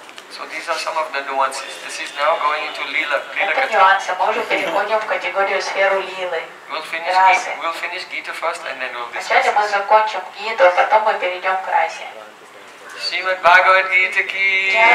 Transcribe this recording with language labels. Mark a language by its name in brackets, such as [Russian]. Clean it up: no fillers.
[English] So these are some of the nuances. This is now going into Lila. [Russian] Это нюансы. Мы уже переходим в категорию сферу Лилы. [English] We'll finish Gita first and then we'll discuss. [Russian] Сначала мы закончим Гиту, а потом мы перейдем к Расе. [Hindi] Шримад Бхагавад Гита ки.